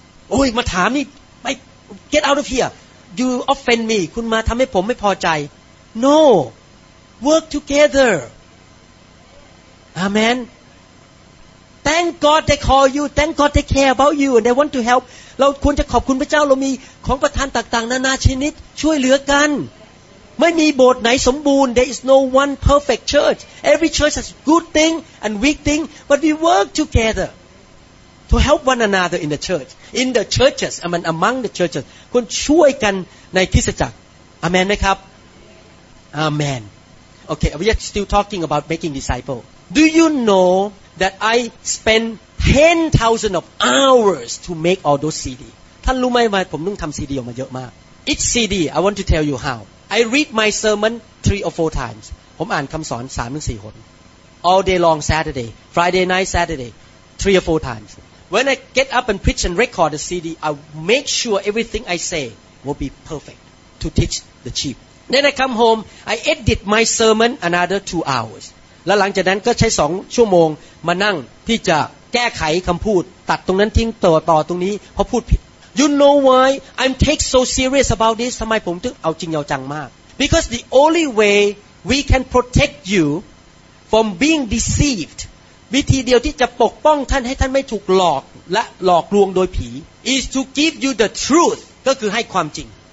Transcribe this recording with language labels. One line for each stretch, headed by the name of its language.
Thai: โอ้ยมาถามนี่ไป
English: get out of here you offend me
Thai: คุณมาทำให้ผมไม่พอใจ
English: No work together AmenThank God they call you. Thank God they care about you. And they want to help.
Thai: เราควรจะขอบคุณพระเจ้าเรามีของประทานต่างๆนานาชนิดช่วยเหลือกันไม่มีโบสถ์ไหนสมบูรณ์
English: There is no one perfect church. Every church has good thing and weak thing. But we work together to help one another in the church. In the churches, I mean among the churches.
Thai: คนช่วยกันในคริสตจักร Amen ไหมครับ Amen.
English: Okay, are we still talking about making disciples? Do you know... That I spend 10,000 of hours to make all those CD.
Thai: ท่านรู้ไหมว่าผมต้องทำ CD ออกมาเยอะมาก
English: Each CD, I want to tell you how. I read my sermon 3 or 4 times.
Thai: ผมอ่านคำสอน 3-4 หน
English: All day long Saturday, Friday night Saturday, 3 or 4 times. When I get up and preach and record the CD, I make sure everything I say will be perfect to teach the sheep. Then I come home, I edit my sermon another 2 hours.
Thai: แล้วหลังจากนั้นก็ใช้2ชั่วโมงมานั่งที่จะแก้ไขคำพูดตัดตรงนั้นทิ้งต่อตรงนี้เพราะพูดผิด
English: You know why I'm take so serious about this
Thai: ทำไมผมถึงเอาจริงเอาจังมาก
English: Because the only way we can protect you from being deceived
Thai: วิธีเดียวที่จะปกป้องท่านให้ท่านไม่ถูกหลอกและหลอกลวงโดยผี
English: is to give you the truth
Thai: ก็คือให้ความจริง